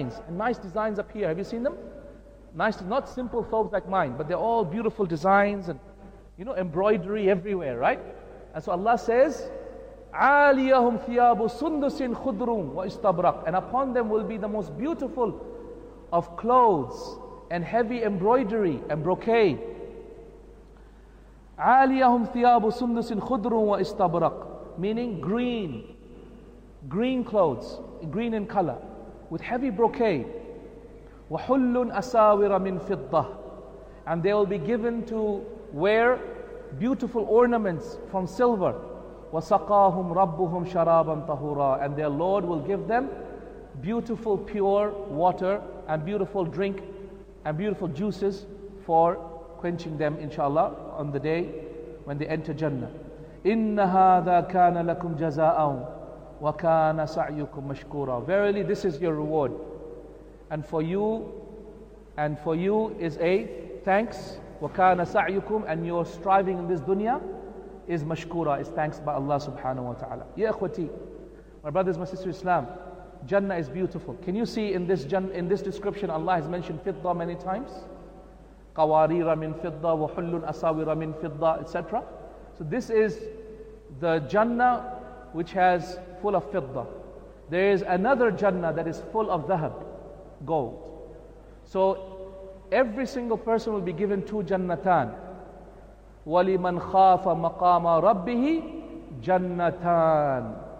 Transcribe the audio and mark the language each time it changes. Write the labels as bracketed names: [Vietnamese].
[English] Nice designs up here. Have you seen them? Nice, not simple thobes like mine, but they're all beautiful designs and, you know, embroidery everywhere, right? And so Allah says, [Arabic] عَالِيَهُمْ ثِيَابُ سُنْدُسٍ خُدْرٌ وَإِسْتَبْرَقٍ [English] And upon them will be the most beautiful of clothes and heavy embroidery and brocade. [Arabic] عَالِيَهُمْ ثِيَابُ سُنْدُسٍ خُدْرٌ وَإِسْتَبْرَقٍ [English] Meaning green. Green clothes. Green in color. With heavy brocade. [Arabic] وَحُلٌّ أَسَاوِرَ مِنْ فِضَّةٍ [English] And they will be given to wear beautiful ornaments from silver. [Arabic] وَسَقَاهُمْ رَبُّهُمْ شَرَابًا طَهُورًا [English] And their Lord will give them beautiful pure water and beautiful drink and beautiful juices for quenching them, inshallah, on the day when they enter Jannah. [Arabic] إِنَّ هَذَا كَانَ لَكُمْ جَزَاءً وَكَانَ سَعْيُكُمْ مَشْكُورًا. [English] Verily, this is your reward. And for you is a thanks. [Arabic] وَكَانَ سَعْيُكُمْ. [English] And your striving in this dunya is mashkura, is thanks by Allah subhanahu wa ta'ala. [Arabic] Ya ikhwati, [English] my brothers, my sisters, Islam, Jannah is beautiful. Can you see in this description, Allah has mentioned fidda many times? [Arabic] قَوَارِيرَ مِنْ فِدَّةٍ وَحُلٌّ أَسَاوِرَ مِنْ فِدَّةٍ, etc. [English] So this is the Jannah which has full of fidda. There is another Jannah that is full of dhahab, gold. So every single person will be given two Jannatan. [Arabic] وَلِمَنْ خَافَ مَقَامَ رَبِّهِ جَنَّتَان.